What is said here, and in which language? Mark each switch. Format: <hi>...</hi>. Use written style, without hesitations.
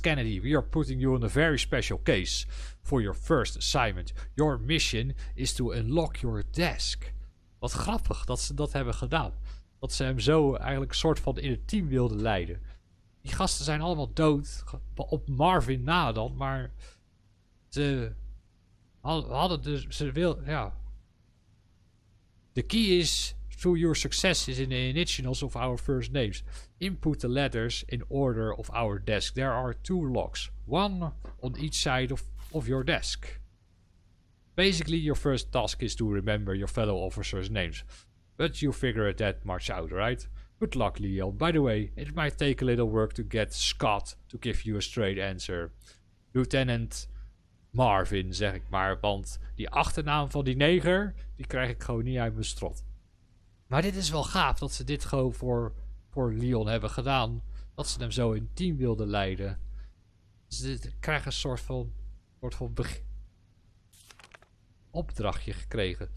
<en>Kennedy, we are putting you in a very special case for your first assignment. Your mission is to unlock your desk.</en> <nl>Wat grappig dat ze dat hebben gedaan. Dat ze hem zo eigenlijk een soort van in het team wilden leiden. Die gasten zijn allemaal dood. Op Marvin na dan, maar ze hadden dus, ze wilden, ja.</nl> <en>The key is, through your successes in the initials of our first names, input the letters in order of our desk. There are two locks, one on each side of your desk. Basically, your first task is to remember your fellow officers' names. But you figure that much out, right? Good luck, Leo. By the way, it might take a little work to get Scott to give you a straight answer.</en> <nl>Lieutenant Marvin, zeg ik maar, want die achternaam van die neger, die krijg ik gewoon niet uit mijn strot. Maar dit is wel gaaf dat ze dit gewoon voor Leon hebben gedaan. Dat ze hem zo in team wilden leiden. Ze krijgen een soort van opdrachtje gekregen.</nl>